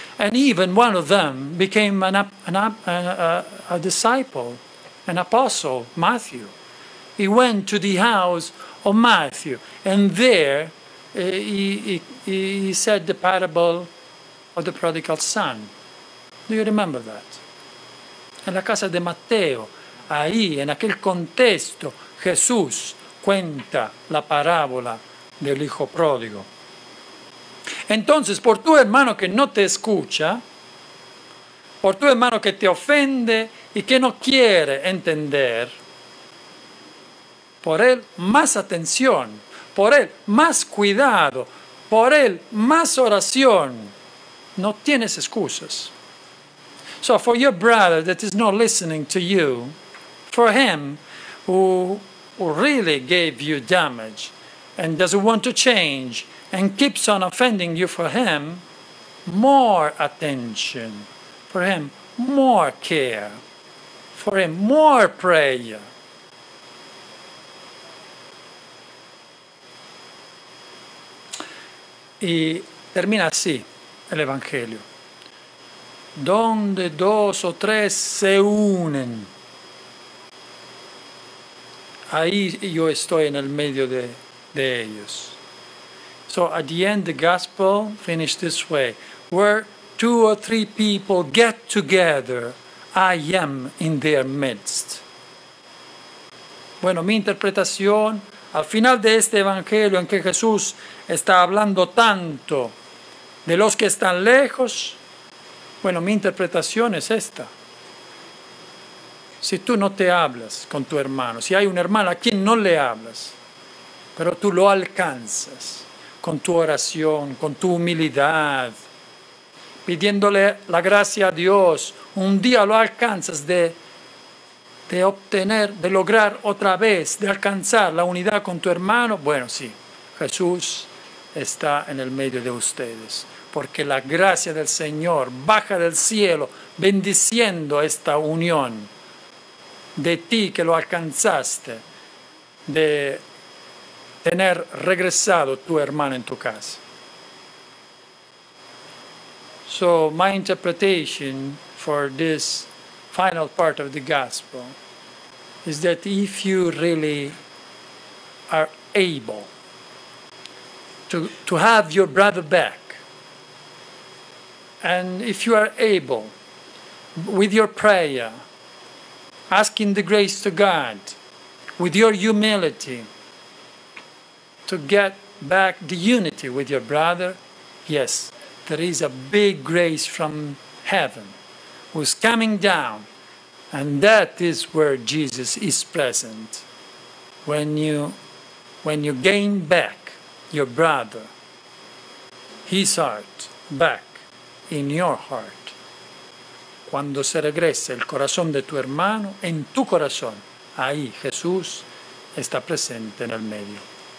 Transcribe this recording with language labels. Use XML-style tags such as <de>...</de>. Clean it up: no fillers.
<en>And even one of them became a disciple, an apostle, Matthew. He went to the house of Matthew. And there he said the parable of the prodigal son. Do you remember that?</en> <es>En la casa de Mateo, ahí, en aquel contexto, Jesús cuenta la parábola del hijo pródigo. Entonces, por tu hermano que no te escucha, por tu hermano que te ofende y que no quiere entender, por él más atención, por él más cuidado, por él más oración. No tienes excusas.</es> <en>So for your brother that is not listening to you, for him who really gave you damage and doesn't want to change and keeps on offending you, for him, more attention. For him, more care. For him, more prayer.</en> <es>Y termina así. El Evangelio. Donde dos o tres se unen, ahí yo estoy en el medio de ellos.</es> <en>So at the end the gospel finished this way. Where two or three people get together, I am in their midst.</en> <es>Bueno, mi interpretación, al final de este Evangelio en que Jesús está hablando tanto de los que están lejos, bueno, mi interpretación es esta. Si tú no te hablas con tu hermano, si hay un hermano a quien no le hablas, pero tú lo alcanzas con tu oración, con tu humildad, pidiéndole la gracia a Dios, un día lo alcanzas de obtener, de lograr otra vez, de alcanzar la unidad con tu hermano, bueno, sí, Jesús está en el medio de ustedes. Porque la gracia del Señor baja del cielo bendiciendo esta unión de ti que lo alcanzaste de tener regresado tu hermano en tu casa.</es> <en>So my interpretation for this final part of the gospel is that if you really are able to have your brother back, and if you are able, with your prayer, asking the grace to God, with your humility, to get back the unity with your brother, yes, there is a big grace from heaven who's coming down. And that is where Jesus is present. When you gain back your brother, his heart back in your heart.</en> <es>cuando se regrese el corazón de tu hermano, en tu corazón, ahí Jesús está presente en el medio.</es>